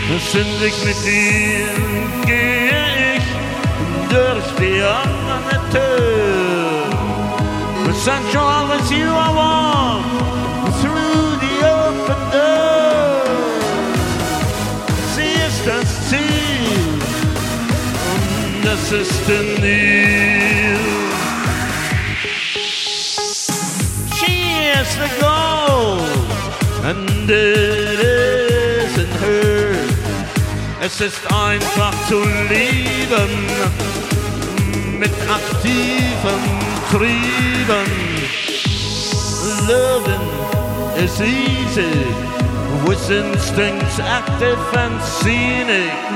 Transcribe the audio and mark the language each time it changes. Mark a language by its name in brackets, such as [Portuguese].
[German] Sündig mit dir gehe ich durch die offene Tür. [English] Sensual with you I walk through the open door. [German] Sie ist das Ziel und es ist in dir. [English] She is the goal and it is in her. [German] Es ist einfach zu lieben, mit aktiven Trieben. [English] Loving is easy, with instincts active and scenic.